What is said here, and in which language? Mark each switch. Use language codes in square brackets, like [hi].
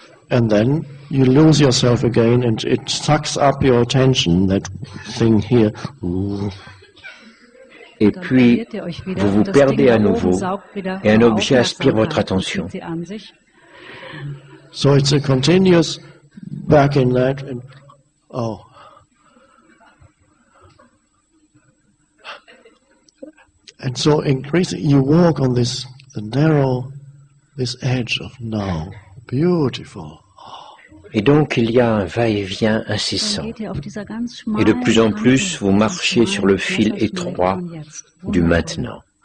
[en] And then you lose yourself again and it sucks up your attention, that thing here. [fr] Et puis, vous vous perdez à nouveau et un objet aspire votre attention. [en] So it's a continuous back in that and oh. And so increasing, you walk on this the narrow, this edge of now. Beautiful. [fr] Et donc, il y a un va-et-vient incessant. Et de plus en plus, vous marchez sur le fil étroit du maintenant.